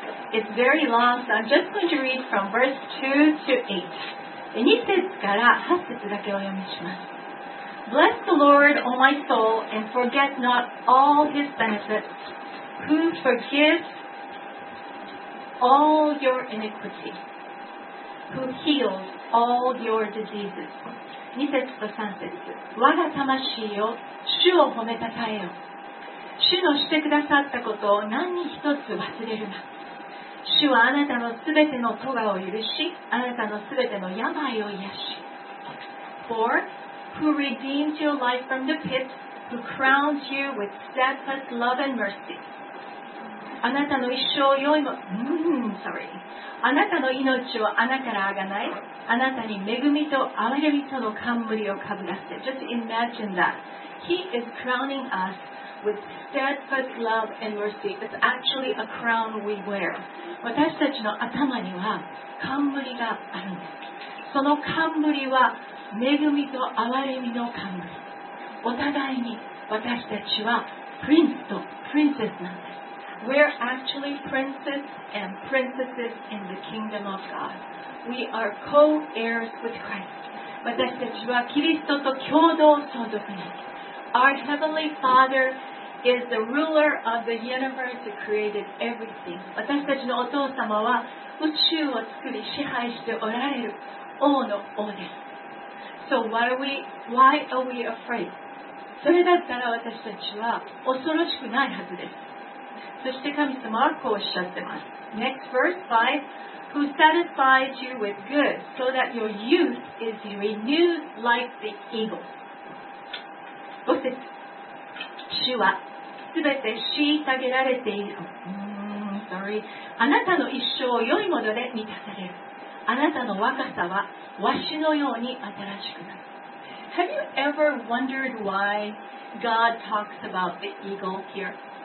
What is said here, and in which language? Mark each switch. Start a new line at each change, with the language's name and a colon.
English: It's very long, so I'm just going to read from verse 2 to 8.
Japanese: 2節から8節だけお読みします。
English: Bless the Lord, O my soul, and forget not all his benefits, who forgives all your iniquity, who heals all your diseases.
Japanese: 2節と3節。我が魂よ、主を褒めたたえよ。主のしてくださったことを何一つ忘れるな。主はあなたのすべての咎を許し、あなたのすべての病を癒し。
English: For who redeemed your life from the pit, who crowned you with steadfast love and mercy.
Japanese: あなたの一生良いも、あなたの命を穴からあがない、あなたに恵みと憐れみとの冠をかぶらせ。
English: Just imagine that. He is crowning us. With steadfast love and mercy. It's actually a crown we wear.
Japanese: 私たちの頭には冠があるんです。その冠は恵みと憐れみの冠。お互いに私たちはプリンスとプリンセスなんです。
English: We're actually princes and princesses in the kingdom of God. We are co-heirs with Christ.
Japanese: 私たちはキリストと共同相続人。
English: Our Heavenly Father is the ruler of the universe who created everything.
Japanese: 私たちのお父様は宇宙を作り支配しておられる王の王です。
English: So why are we afraid?
Japanese: それだったら私たちは恐ろしくないはずです。そして神様はこうおっしゃってます。
English: Next verse 5. Who satisfies you with good so that your youth is renewed like the eagle.
Japanese: 主はすべて虐げられている、あなたの一生を良いもので満たされるあなたの若さはわしのように新しくなる
English: Have you ever wondered why God talks about the eagle here?